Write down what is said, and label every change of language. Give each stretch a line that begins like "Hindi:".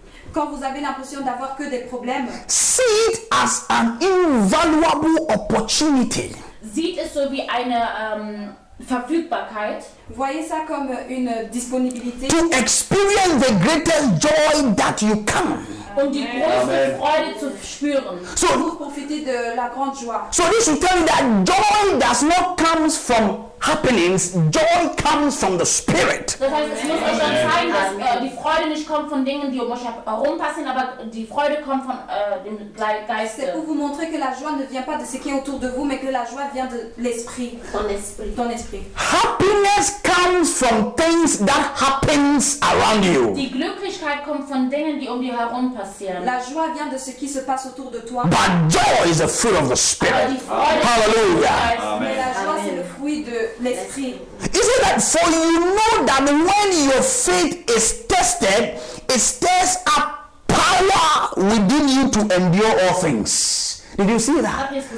French: quand vous avez l'impression d'avoir que des problèmes,
English: see it as an invaluable opportunity.
German: Sieht es so wie eine Verfügbarkeit.
French: Voyez ça comme une disponibilité.
English: To experience the greatest joy that you can.
German: Und die größte Freude zu spüren.
French: So, vous profitez de la grande joie.
English: So this should tell you that joy does not come from happenings. Joy comes from the spirit.
German: Das heißt, es muss euch dann zeigen, dass die Freude nicht kommt von Dingen, die um euch herum passieren, aber die Freude kommt von dem Geist.
French: C'est pour vous montrer que la joie ne vient pas de ce qui est autour de vous, mais que la joie vient de l'esprit. Ton esprit.
English: Happiness comes from things that happens around you.
German: Die Glücklichkeit kommt von Dingen, die um dir herum passieren.
French: La joie vient de ce qui se passe autour de toi.
English: But joy is a fruit of the spirit. Hallelujah. Is it that for you know that when your faith is tested, it stirs up power within you to endure all things? Did you see that?